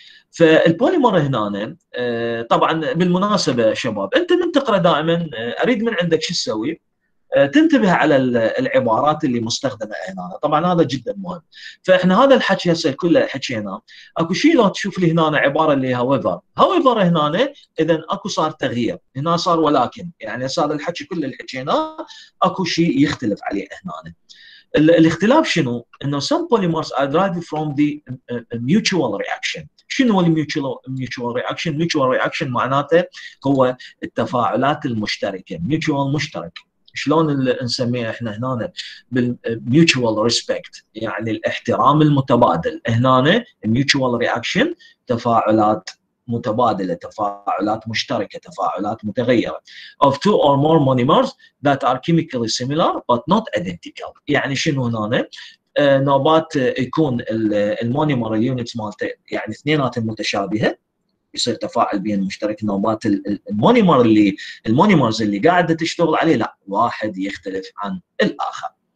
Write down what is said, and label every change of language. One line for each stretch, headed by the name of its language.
Arabic: فالبوليمر هنا طبعا بالمناسبة شباب، أنت من تقرأ دائما أريد من عندك شو تسوي، تنتبه على العبارات اللي مستخدمة هنا، طبعا هذا جدا مهم. فإحنا هذا الحكي هسه كله حكينا، أكو شيء لو تشوف لي هنا عبارة اللي however، however هنا إذا أكو صار تغيير، هنا صار ولكن، يعني صار الحكي كل اللي حكينا أكو شيء يختلف عليه هنا. الاختلاف شنو؟ إنه
English: some polymers are derived from the mutual reaction.
Arabic: شنو mutual reaction؟ mutual reaction معناته هو التفاعلات المشتركة، mutual مشترك. شلون نسميه احنا هنا بالميوتشوال ريسبكت، يعني الاحترام المتبادل، هنا ميوتشوال رياكشن تفاعلات متبادله، تفاعلات مشتركه، تفاعلات متغيره.
English: of two or more monomers that are chemically similar but not identical.
Arabic: يعني شنو هنا نوبات يكون المونومر اليونت مالته يعني اثنينات متشابهه يصير تفاعل بين مشترك، نوبات المونيمر اللي المونيمرز اللي قاعده تشتغل عليه لا واحد يختلف عن الاخر.